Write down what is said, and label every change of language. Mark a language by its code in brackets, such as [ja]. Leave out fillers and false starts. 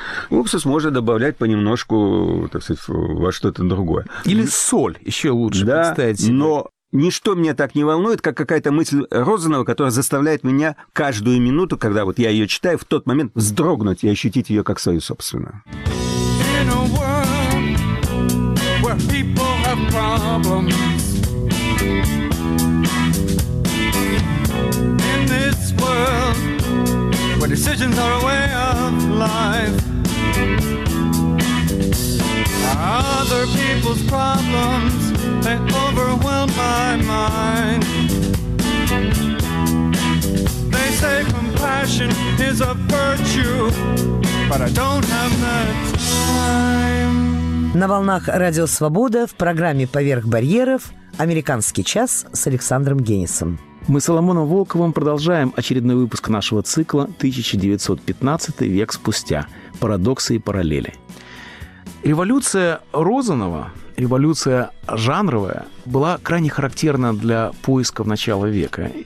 [ru] Уксус можно добавлять понемножку, так сказать, во что-то другое. Или соль еще лучше, да, представить себе. Но ничто меня так не волнует, как какая-то мысль Розанова, которая заставляет меня каждую минуту, когда вот я ее читаю, в тот момент вздрогнуть и ощутить ее как свою собственную. [en] Problems in this world where decisions are a way of life, other people's problems they overwhelm my mind. They say compassion is a virtue, but I don't have that time. [ru] На волнах «Радио Свобода» в программе «Поверх барьеров» «Американский час» с Александром Генисом. Мы с Соломоном Волковым продолжаем очередной выпуск нашего цикла «1915 век спустя. Парадоксы и параллели». Революция Розанова, революция жанровая, была крайне характерна для поисков начала века.